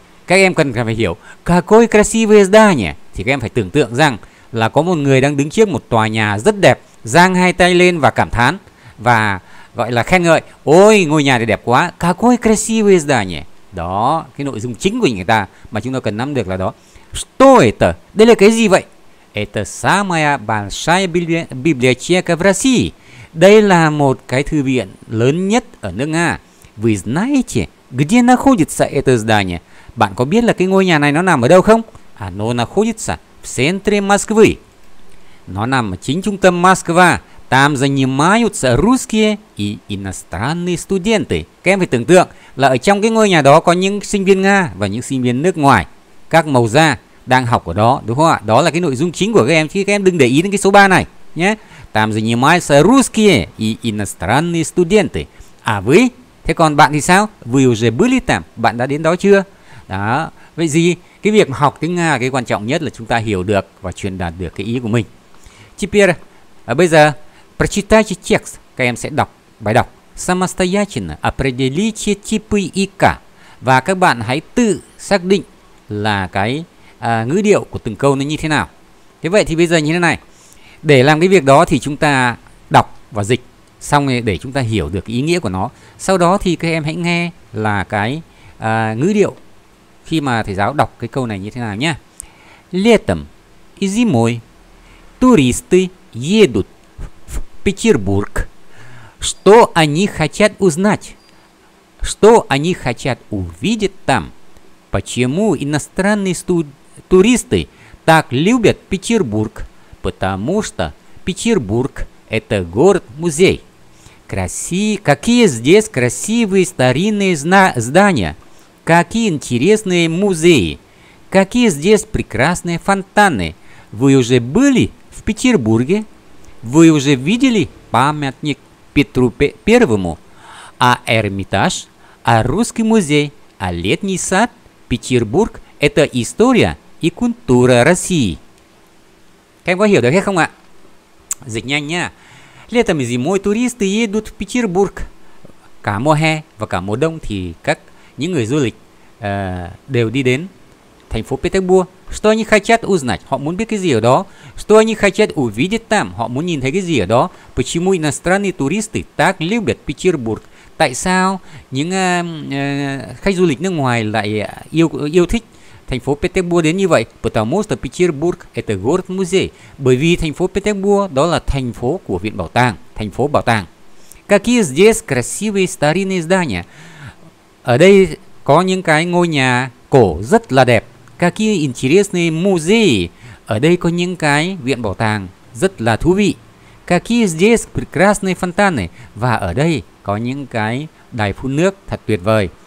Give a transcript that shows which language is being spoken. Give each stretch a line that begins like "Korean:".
Vietnamese: Các em cần phải hiểu
Russian: какое красивое здание
Vietnamese: thì các em phải tưởng tượng rằng là có một người đang đứng trước một tòa nhà rất đẹp, giang hai tay lên và cảm thán và gọi là khen ngợi, ôi ngôi nhà này đẹp quá,
Russian: какое красивое здание.
Vietnamese: Đó, cái nội dung chính của người ta mà chúng ta cần nắm được là đó.
Russian: Что это?
Vietnamese: Đây là cái gì vậy?
Russian: Это самая большая библиотека в России.
Vietnamese: Đây là một cái thư viện lớn nhất ở nước Nga.
Russian: Вы знаете, где находится это здание?
Vietnamese: Bạn có biết là cái ngôi nhà này nó nằm ở đâu không?
Russian: Оно находится в центре Москвы.
Vietnamese: Nó nằm ở chính trung tâm Moscow.
Russian: Там занимаются русские и иностранные студенты.
Vietnamese: Các em phải tưởng tượng là ở trong cái ngôi nhà đó có những sinh viên Nga và những sinh viên nước ngoài, các màu da đang học ở đó, đúng không ạ? Đó là cái nội dung chính của các em, chứ các em đừng để ý đến cái số 3 này nhé.
Russian: Там занимаются русские и иностранные студенты. À вы?
Vietnamese: Thế còn bạn thì sao?
Russian: Вы уже были там?
Vietnamese: Bạn đã đến đó chưa? Đó. Vậy gì? Cái việc học tiếng Nga, cái quan trọng nhất là chúng ta hiểu được và truyền đạt được cái ý của mình.
Russian: Теперь,
Vietnamese: bây giờ,
Russian: прочитайте текст.
Vietnamese: Các em sẽ đọc bài đọc.
Russian: Самостоятельно определите типы ИК.
Vietnamese: Và các bạn hãy tự xác định là cái ngữ điệu của từng câu nó như thế nào. Thế vậy thì bây giờ như thế này. Để làm cái việc đó thì chúng ta đọc và dịch xong để chúng ta hiểu được ý nghĩa của nó. Sau đó thì các em hãy nghe là cái ngữ điệu khi mà thầy giáo đọc cái câu này như thế nào nhé.
Russian: Летом и зимой туристы едут в Петербург. Что они хотят узнать? Что они хотят увидеть там? Почему иностранные туристы так любят Петербург? Потому что Петербург – это город-музей. Какие здесь красивые старинные здания. Какие интересные музеи. Какие здесь прекрасные фонтаны. Вы уже были в Петербурге? Вы уже видели памятник Петру Первому? А Эрмитаж? А Русский музей? А Летний сад? Петербург – это история и культура России.
Vietnamese: Các em có hiểu được hết không ạ? Dịch nhanh nha.
Russian: Летом и зимой туристы едут в Петербург.
Vietnamese: Cả mùa hè và cả mùa đông thì các những người du lịch đều đi đến thành phố Petersburg.
Russian: Что они хотят узнать?
Vietnamese: Họ muốn biết cái gì ở đó.
Russian: Что они хотят увидеть там?
Vietnamese: Họ muốn nhìn thấy cái gì ở đó.
Russian: Почему иностранные туристы так любят Петербург?
Vietnamese: Tại sao những khách du lịch nước ngoài lại yêu thích thành phố Petersburg đến như vậy?
Russian: Потому что Петербург это город музей.
Vietnamese: Bởi vì thành phố Petersburg đó là thành phố của viện bảo tàng, thành phố bảo tàng.
Russian: Какие здесь красивые старинные здания?
Vietnamese: Ở đây có những cái ngôi nhà cổ rất là đẹp.
Russian: Какие интересные музеи?
Vietnamese: Ở đây có những cái viện bảo tàng rất là thú vị.
Russian: Какие здесь прекрасные фонтаны?
Vietnamese: Và ở đây có những cái đài phun nước thật tuyệt vời.